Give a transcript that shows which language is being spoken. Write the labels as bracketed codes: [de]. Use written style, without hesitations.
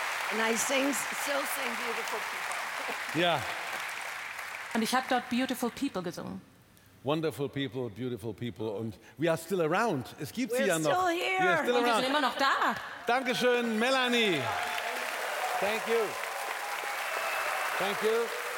[en] And I still sing Beautiful People. Yeah. [de] Und ich habe dort Beautiful People gesungen. [en] Wonderful people, beautiful people. And we are still around. [de] Es gibt sie ja noch. [en] We're still here. We are still around. [de] Wir sind immer noch da. Dankeschön, Melanie. [en] Thank you. Thank you. Thank you.